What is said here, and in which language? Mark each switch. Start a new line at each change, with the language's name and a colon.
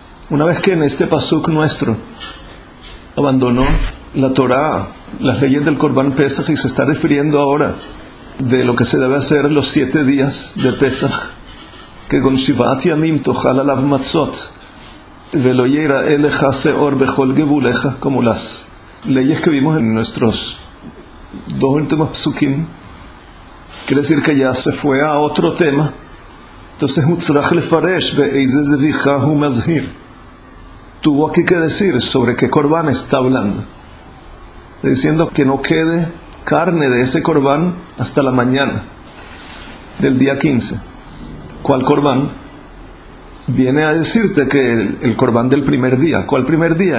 Spanish: Una vez que en este pasuk nuestro abandonó la Torah las leyes del korban Pesach y se está refiriendo ahora de lo que se debe hacer los siete días de Pesach, que con
Hebrew: shivat yamim tochal alav matzot ולא יראה לך שאור בכל גבולך,
Spanish: como las leyes que vimos en nuestros dos últimos psukim. Quiere decir que ya se fue a otro tema.
Hebrew: Entonces, הוצרח לפרש באיזה זביחה הוא מזהיר.
Spanish: Tuvo aquí que decir sobre qué corbán está hablando. Diciendo que no quede carne de ese corbán hasta la mañana del día 15. ¿Cuál corbán? Viene a decirte que el korban del primer día. ¿Cuál primer día?